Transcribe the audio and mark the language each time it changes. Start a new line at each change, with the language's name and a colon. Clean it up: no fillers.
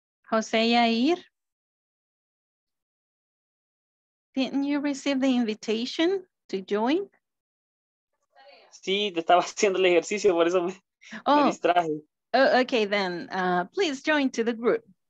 English: Jose Yair, didn't you receive the invitation to join?
Spanish: Sí, te estaba haciendo el ejercicio, por eso me distraje.
English: Oh, okay, then please join to the group.